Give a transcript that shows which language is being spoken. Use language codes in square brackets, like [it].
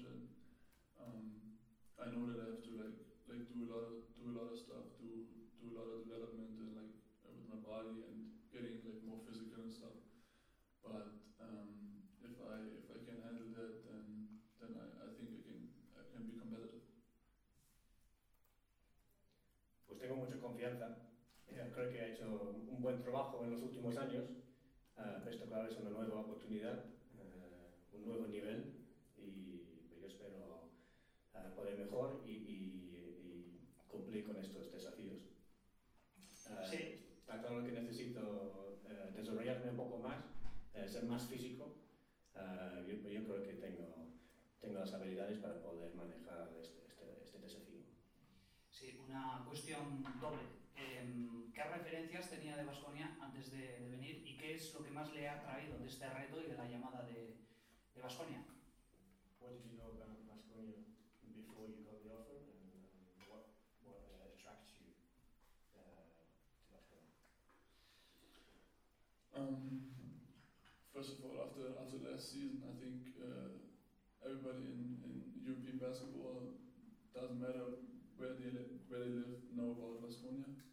[en] And I know that I have to like do a lot of development and like with my body and getting like more physical and stuff. But if I can handle that, then I think I can be competitive. [es] Pues tengo mucha confianza. Creo que ha hecho un buen trabajo en los últimos años. Esto claro es una nueva oportunidad, un nuevo nivel, y yo espero poder mejor y cumplir con estos desafíos. Sí. Está claro que necesito desarrollarme un poco más, ser más físico. Yo creo que tengo las habilidades para poder manejar este desafío. Sí, una cuestión doble. ¿Qué referencias tenía de Baskonia antes de venir y qué es lo que más le ha atraído de este reto y de la llamada de Baskonia? [en] What did you know about Baskonia before you got the offer, and what attracts you to Baskonia? First, after last season, I think everybody in European basketball, doesn't matter where they live, know about Baskonia.